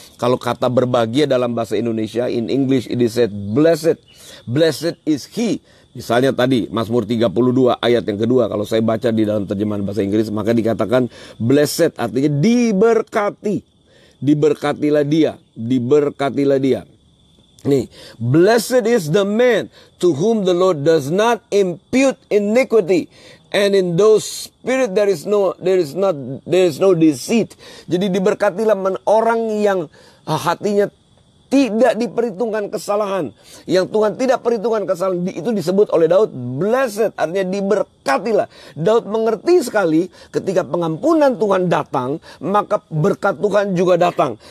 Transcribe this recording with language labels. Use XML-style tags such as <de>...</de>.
<id>Kalau kata berbahagia dalam bahasa Indonesia,</id> <en>in English it is said blessed. Blessed is he.</en> <id>Misalnya tadi Mazmur 32 ayat yang kedua, kalau saya baca di dalam terjemahan bahasa Inggris, maka dikatakan blessed artinya diberkati. Diberkatilah dia.</id> <en>Nih, blessed is the man to whom the Lord does not impute iniquity. And in those spirit there is no deceit.</en> <id>Jadi diberkatilah orang yang hatinya tidak diperhitungkan kesalahan. Yang Tuhan tidak perhitungkan kesalahan, itu disebut oleh Daud blessed, artinya diberkatilah. Daud mengerti sekali ketika pengampunan Tuhan datang, maka berkat Tuhan juga datang.</id>